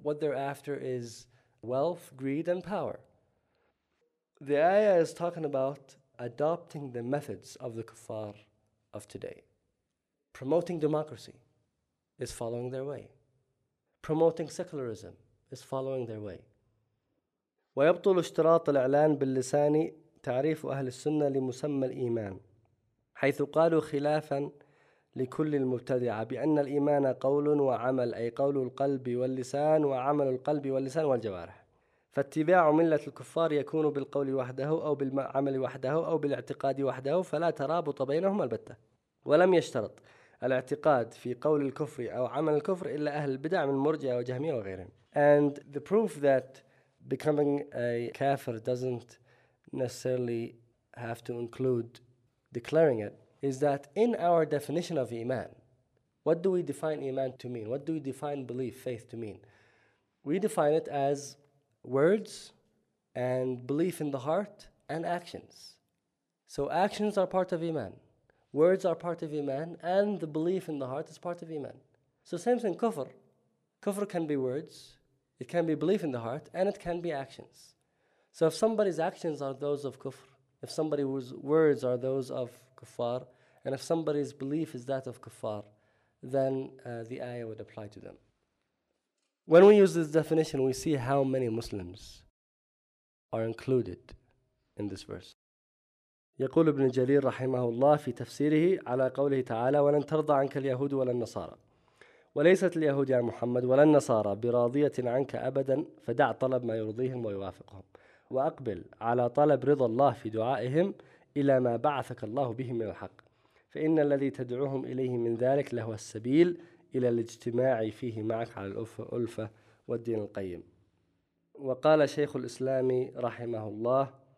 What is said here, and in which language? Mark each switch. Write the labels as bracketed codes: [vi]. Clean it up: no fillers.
[en] What they're after is wealth, greed, and power. The ayah is talking about adopting the methods of the kuffar of today. Promoting democracy is following their way. Promoting secularism is following their way. [ar] وَيَبْطُلُ اشْتِرَاطُ الْإِعْلَانِ بِاللِّسَانِ تَعْرِيفُ أَهْلِ السُّنَّةِ لِمُسَمَّى الْإِيمَانِ حيث قالوا خلافاً لكل المبتدعة بأن الإيمان قول وعمل أي قول القلب واللسان وعمل القلب واللسان والجوارح فاتباع ملة الكفار يكون بالقول وحده أو بالعمل وحده أو بالاعتقاد وحده فلا ترابط بينهم البتة ولم يشترط الاعتقاد في قول الكفر أو عمل الكفر إلا أهل البدع من مرجع وجهمية وغيرهم. [en] And the proof that becoming a kafir doesn't necessarily have to include declaring it is that in our definition of iman, what do we define iman to mean? What do we define belief, faith to mean? We define it as words and belief in the heart and actions. So actions are part of Iman. Words are part of Iman, and the belief in the heart is part of Iman. So same thing, kufr. Kufr can be words, it can be belief in the heart, and it can be actions. So if somebody's actions are those of kufr, if somebody's words are those of kuffar, and if somebody's belief is that of kuffar, then the ayah would apply to them. When we use this definition, we see how many Muslims are included in this verse. [ar] يقول ابن جرير رحمه الله في تفسيره على قوله تعالى ولن ترضى عنك اليهود ولا النصارى وليست اليهود يا محمد ولا النصارى براضية عنك أبدا فدع طلب ما يرضيهم ويوافقهم وأقبل على طلب رضا الله في دعائهم إلى ما بعثك الله به من الحق فإن الذي تدعوهم إليه من ذلك لهو السبيل إلى الاجتماع فيه معك على الألفة والدين القيم وقال شيخ الإسلام رحمه الله